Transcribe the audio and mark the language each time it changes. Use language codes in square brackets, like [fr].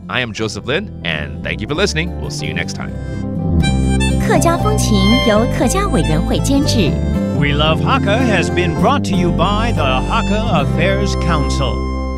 [en] I am Joseph Lin, and thank you for listening. We'll see you next time. [zh] 客家风情由客家委员会监制 [en] We Love Hakka has been brought to you by the Hakka Affairs Council.